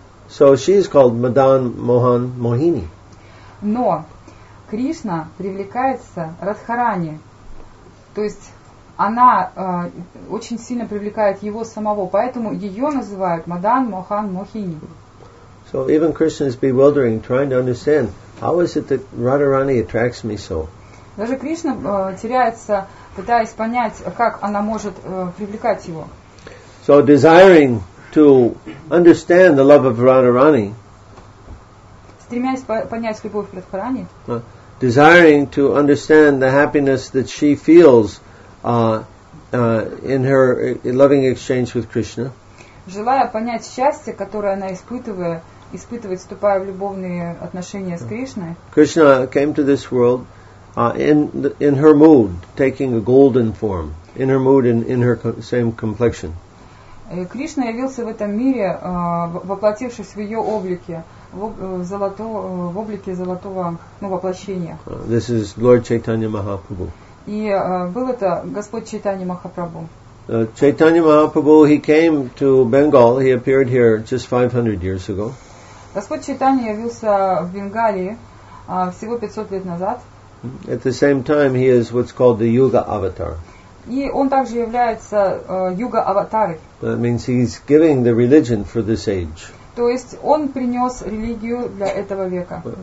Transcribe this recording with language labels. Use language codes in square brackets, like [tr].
[en] So she is called Madan Mohan Mohini. [ru] Но Кришна привлекается Радхарани. То есть она очень сильно привлекает его самого, поэтому ее называют Мадан Мохан Мохини. [en] So even Krishna is bewildering, trying to understand, how is it that Radharani attracts me so? [ru] Даже Кришна теряется, пытаясь понять, как она может привлекать его. [en] So desiring to understand the love of Radharani. [ru] стремясь понять любовь к Радхарани, [en] desiring to understand the happiness that she feels in her loving exchange with Krishna, [ru] желая понять счастье, которое она испытывает, вступая в любовные отношения с Кришной. [en] Krishna came to this world in her mood, taking a golden form, in her mood, in her same complexion. [ru] Кришна явился в этом мире, воплотившись в ее облике, в облике золотого, ну, воплощения. [en] This is Lord Chaitanya Mahaprabhu. [ru] И был это Господь Чайтанья Махапрабху. [en] Chaitanya Mahaprabhu, he came to Bengal, he appeared here just 500 years ago. [ru] Господь Чайтанья явился в Бенгалии всего 500 лет назад. [en] At the same time, he is what's called the Yuga Avatar. [ru] И он также является Юга Аватарой. [en] That means he's giving the religion for this age. [ru] То есть он принес религию для этого века.